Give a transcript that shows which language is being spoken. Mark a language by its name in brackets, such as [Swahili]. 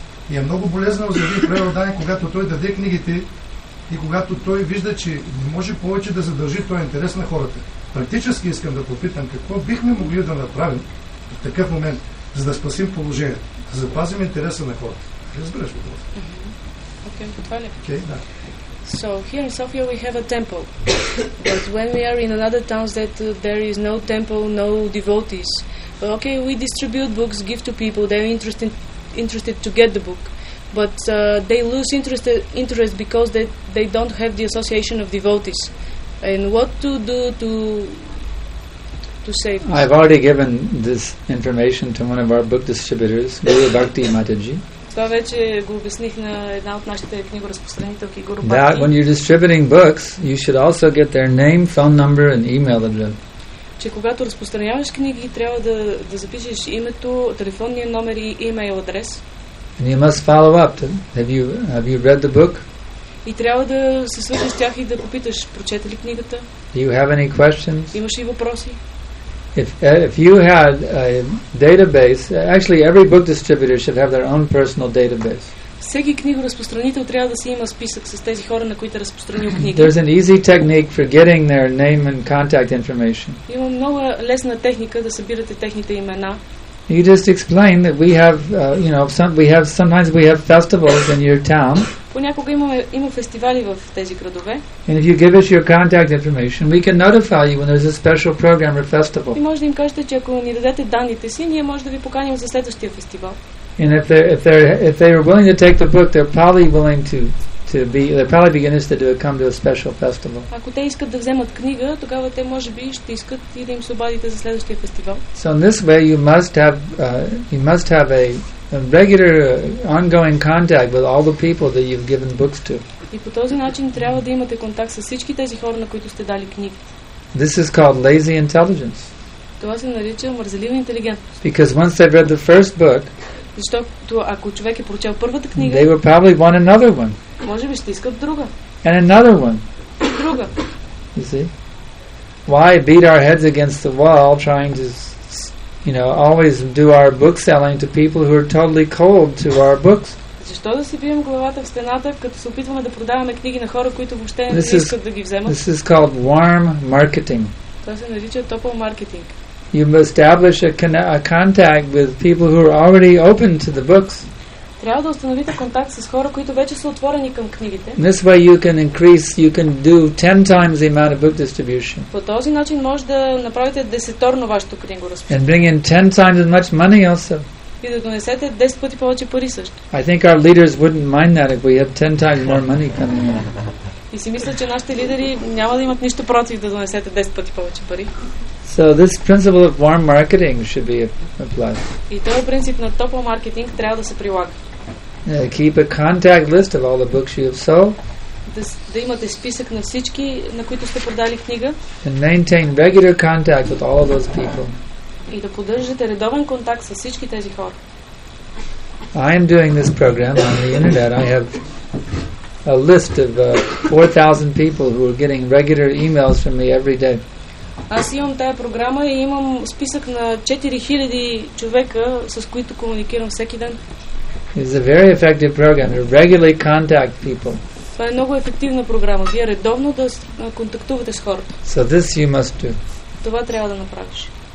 [Bulgarian] И е много болезнено за един преводач, когато той даде книгите и когато той вижда, че не може повече да задържи този интерес на хората. Практически искам да попитам какво бихме могли да направим в такъв момент, за да спасим положението, да запазим интереса на хората. Разбираш ли това? Окей, да. [English] So here in Sofia we have a temple, but when we are in another towns that there is no temple, no devotees. But okay, we distribute books, give to people, they are interested to get the book, but they lose interest because they don't have the association of devotees. And what to do to save this? I've already given this information to one of our book distributors, Guru Bhakti Mataji. [Bulgarian] Това вече го обясних на една от нашите книгоразпространителки, Гуру Бхакти. [English] That when you're distributing books, you should also get their name, phone number and email address. [Bulgarian] Че когато разпространяваш книги, трябва да запишеш името, телефонния номер и имейл адрес. [English] And you must follow up. Have you read the book? [Bulgarian] И трябва да се свържеш с тях и да попиташ, прочета ли книгата? [English] Do you have any questions? [Bulgarian] Имаш ли въпроси? [English] If you had a database, actually every book distributor should have their own personal database. [Bulgarian] Всеки книгоразпространител трябва да си има списък с тези хора, на които е разпространил книга. [English] There's an easy technique for getting their name and contact information. [Bulgarian] Има много лесна техника да събирате техните имена. [English] You just explain that we have, you know, sometimes we have festivals in your town. [Bulgarian] Понякога има фестивали в тези градове. [English] And if you give us your contact information, we can notify you when there's a special program or festival. [Bulgarian] И може да им кажете, че ако ни дадете данните си, ние може да ви поканим за следващия фестивал. [English] And if they're willing to take the book, they're probably willing to be interested to come to a special festival. [Bulgarian] Ако те искат да вземат книга, тогава те може би ще искат и да им се обадите за следващия фестивал. [English] So in this way you must have a regular ongoing contact with all the people that you've given books to. [Bulgarian] И по този начин трябва да имате контакт с всички тези хора, на които сте дали книги. [English] This is called lazy intelligence. [Bulgarian] Това се нарича мързелива интелигентност. [English] Because once they've read the first book, [Bulgarian] защото ако човек е прочел първата книга, [English] they will probably want another one. [Bulgarian] Може би ще искат друга. [English] And another one. [Bulgarian] Друга. [English] You see? Why beat our heads against the wall trying to, you know, always do our book selling to people who are totally cold to our books? [Bulgarian] Защо да си бием главата в стената, като се опитваме да продаваме книги на хора, които въобще не искат да ги вземат? [English] This is called warm marketing. [Bulgarian] Това се нарича топъл маркетинг. [English] You must establish a contact with people who are already open to the books. [Bulgarian] Трябва да установите контакт с хора, които вече са отворени към книгите. [English] This way you can do 10 times the amount of book distribution. [Bulgarian] По този начин може да направите десеторно вашето книгоразпространение. [English] And bring in 10 times as much money also. [Bulgarian] И да донесете 10 пъти повече пари също. [English] I think our leaders wouldn't mind that if we have 10 times more money coming in. [Bulgarian] И си мисля, че нашите лидери няма да имат нищо против да донесете 10 пъти повече пари. [English] So this principle of warm marketing should be applied. [Bulgarian] И този принцип на топъл маркетинг трябва да се прилага. [English] Keep a contact list of all the books you have sold. [Bulgarian] Да имате списък на всички, на които сте продали книга. [English] And maintain regular contact with all of those people. [Bulgarian] И да поддържате редовен контакт с всички тези хора. [English] I am doing this program on the internet. I have a list of 4,000 people who are getting regular emails from me every day. [Bulgarian] Аз имам тая програма и имам списък на 4000 човека, с които комуникирам всеки ден. [English] It's a very effective program. You regularly contact people. [Bulgarian] Това е много ефективна програма. Вие редовно да контактувате с хората. [English] So this you must do. [Bulgarian] Това трябва да направиш.